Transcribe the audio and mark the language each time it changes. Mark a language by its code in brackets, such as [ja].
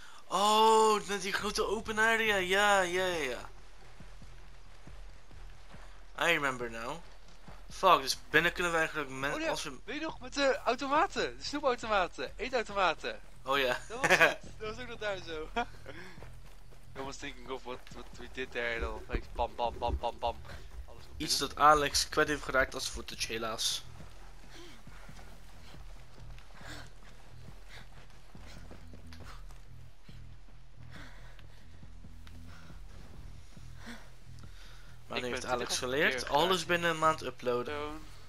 [nl] Oh, met die grote [en] open area, [nl] ja, ja, ja. [en] I remember now. [nl] Fuck, dus binnen kunnen we eigenlijk als we... Weet je nog, met de automaten, de snoepautomaten, eetautomaten. Oh ja. Dat was ook nog daar zo. [en] I was thinking of what we did there, dan like, bam bam bam bam bam. [nl] Iets dat Alex kwijt heeft geraakt als footage, helaas. Maar nu heeft Alex geleerd, alles binnen een maand uploaden.